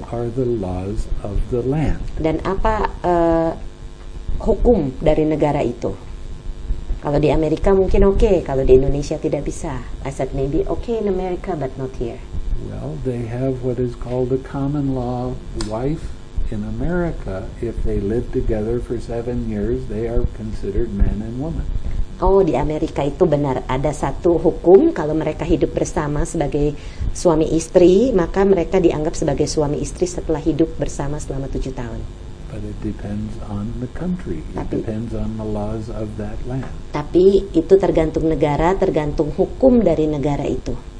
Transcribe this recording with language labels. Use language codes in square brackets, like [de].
[en] What are the laws of the land? [id] Dan apa hukum dari negara itu? Kalau di Amerika mungkin okay, kalau di Indonesia tidak bisa. [en] I said maybe okay in America, but not here. Well, they have what is called a common law wife in America. If they live together for 7 years, they are considered man and woman. [id] Oh, di Amerika itu benar. Ada satu hukum, kalau mereka hidup bersama sebagai suami istri, maka mereka dianggap sebagai suami istri setelah hidup bersama selama 7 tahun. [en] But it depends on the country. [id] Tapi, [en] it depends on the laws of that land. [id] Tapi itu tergantung negara, tergantung hukum dari negara itu.